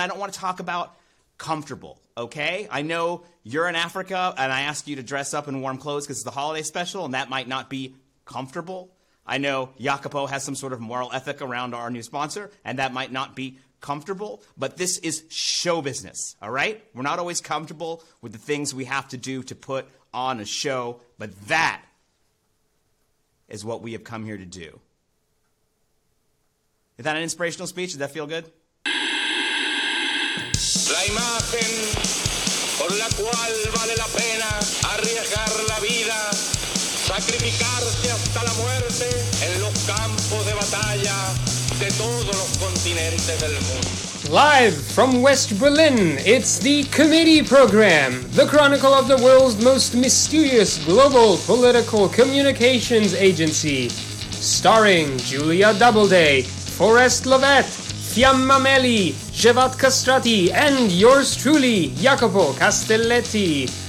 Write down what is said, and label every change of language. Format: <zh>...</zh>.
<en>I don't want to talk about comfortable, okay? I know you're in Africa, and I ask you to dress up in warm clothes because it's the holiday special, and that might not be comfortable. I know Jacopo has some sort of moral ethic around our new sponsor, and that might not be comfortable, but this is show business, all right? We're not always comfortable with the things we have to do to put on a show, but that is what we have come here to do. Is that an inspirational speech? Does that feel good?</en> <es>La imagen por la cual vale la pena arriesgar la vida, sacrificarse hasta la muerte en los campos de batalla de todos los continentes del mundo.</es> <en>Live from West Berlin, it's the Committee Program, the chronicle of the world's most mysterious global political communications agency, starring Julia Doubleday, Forrest Lovett, Fiamma Melli, Jevat Castrati, and yours truly, Jacopo Castelletti.</en>